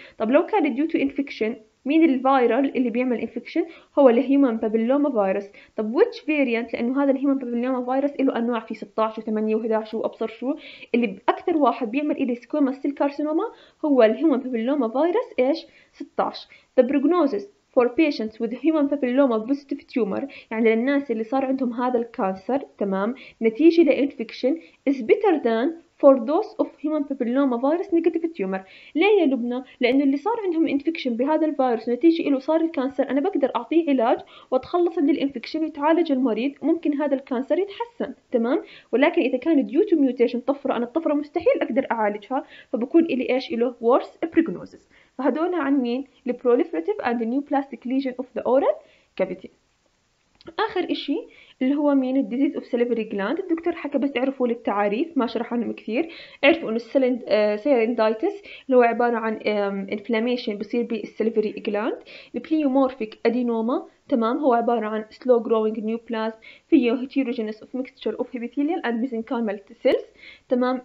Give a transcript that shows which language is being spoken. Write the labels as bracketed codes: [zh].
[ar] طب لو كان ديو تو انفكشن، مين الفيرال اللي بيعمل انفكشن؟ هو الهيومن بابيلوما فيروس. طب ويتش فيريانت، لانه هذا الهيومن بابيلوما فيروس له انواع، في 16 و8 و11، وابصر شو اللي اكثر واحد بيعمل الي سكويما سيل كارسينوما هو الهيومن بابيلوما فيروس ايش؟ 16. [en] طب prognosis for patients with human papilloma positive tumor، [ar] يعني للناس اللي صار عندهم هذا الكانسر، تمام، نتيجة لإنفكشن، [en] is better than for those of human papilloma virus negative tumor. [ar] ليه يا لبنى؟ لأنه اللي صار عندهم إنفكشن بهذا الفيروس نتيجة إله صار الكانسر، أنا بقدر أعطيه علاج وأتخلص من الإنفكشن ويتعالج المريض، ممكن هذا الكانسر يتحسن، تمام. ولكن إذا كان [en] due to mutation [ar] طفرة، أنا الطفرة مستحيل أقدر أعالجها، فبكون إلي إيش؟ إله worse prognosis. فهدول عن مين؟ [en] The proliferative and the new plastic lesion of the oral cavity. [ar] آخر إشي اللي هو مين الديزيز اوف سليبري جلاند. الدكتور حكى بس اعرفوا للتعاريف، ما شرحوا لهم كثير. اعرفوا انه السيرندايتس اللي هو عباره عن انفلاميشن بصير بالسليبري جلاند. البليومورفيك ادينوما تمام، هو عباره عن سلو جروينج نيو بلازم فيه هيتيروجينس اوف ميكستشر اوف ابيثيليال اند ميزينكايمال سيلز تمام.